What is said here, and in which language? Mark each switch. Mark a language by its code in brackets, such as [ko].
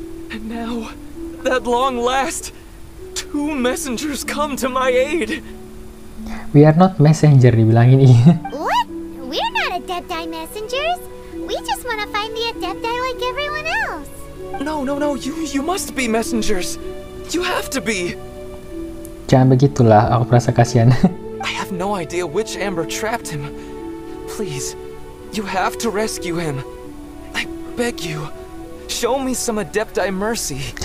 [en] And now, that long last, two messengers come to my aid. We are not messenger, [id] dibilang ini. [en] What? We're not Adepti messengers. We just want to find the Adepti like everyone else. No. You must be messengers. You have to be. [id] Jangan begitulah, aku merasa kasihan. [en] I have no idea which amber trapped him. Please, you have to rescue him. I beg you, show me some Adepti mercy.